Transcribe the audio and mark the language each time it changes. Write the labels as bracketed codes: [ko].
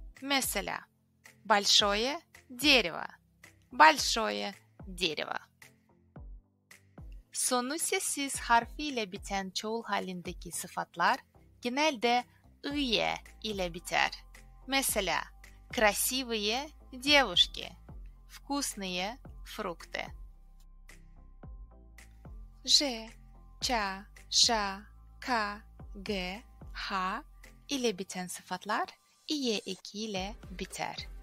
[tr] Mesela, [ru] большое дерево, большое дерево. [tr] Sonu sessiz harfiyle biten çoğul halindeki sıfatlar genelde ıye ile biter. Mesela, [ru] красивые девушки, вкусные фрукты. [tr] Ж, ча, ша, ка, г, ха ile biten sıfatlar ие eki ile biter.